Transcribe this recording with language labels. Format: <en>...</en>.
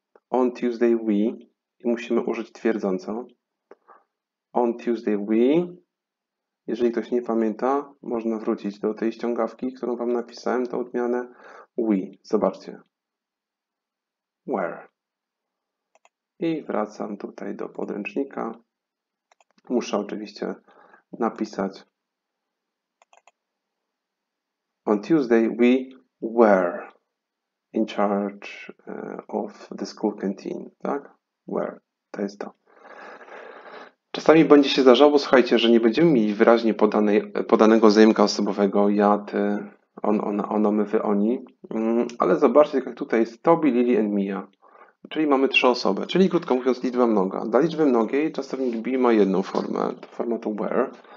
<en>On Tuesday we,</en> <pl>i musimy użyć twierdzącą. On Tuesday we, jeżeli ktoś nie pamięta, można wrócić do tej ściągawki, którą wam napisałem, tą odmianę we. Zobaczcie. Where. I wracam tutaj do podręcznika. Muszę oczywiście napisać.</pl> <en>On Tuesday we were in charge of the school canteen.</en> <pl>Tak? Were. To jest to. Czasami będzie się zdarzało, słuchajcie, że nie będziemy mieli wyraźnie podanego zaimka osobowego. Ja, ty, on, ona, ono, my, wy, oni. Ale zobaczcie, jak tutaj jest Toby, Lily and Mia. Czyli mamy trzy osoby. Czyli krótko mówiąc, liczba mnoga. Dla liczby mnogiej czasownik be ma jedną formę. Forma to were.</pl>